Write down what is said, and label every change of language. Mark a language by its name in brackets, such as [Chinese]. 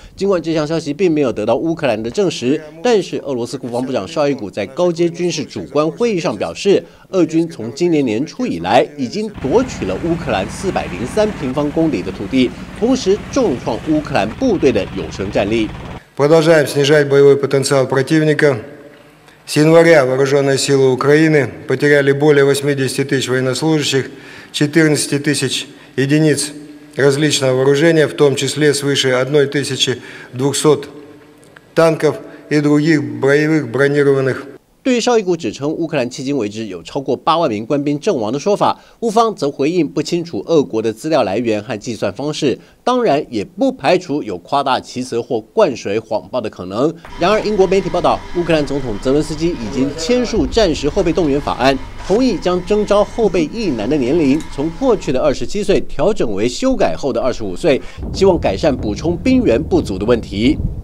[Chinese] 尽管这项消息并没有得到乌克兰的证实，但是俄罗斯国防部长绍伊古在高阶军事主官会议上表示，俄军从今年年初以来已经夺取了乌克兰403平方公里的土地，同时重创乌克兰部队的有生战力。 [Russian] продолжаем снижать боевой потенциал противника. С января вооруженные силы Украины потеряли более 80 000 военнослужащих, 14 000 единиц различного вооружения, в том числе свыше 1200 танков и других боевых бронированных。 [Chinese] 对于绍伊古指称乌克兰迄今为止有超过8万名官兵阵亡的说法，乌方则回应不清楚俄国的资料来源和计算方式，当然也不排除有夸大其词或灌水谎报的可能。然而，英国媒体报道，乌克兰总统泽伦斯基已经签署战时后备动员法案，同意将征召后备役男的年龄从过去的27岁调整为修改后的25岁，希望改善补充兵员不足的问题。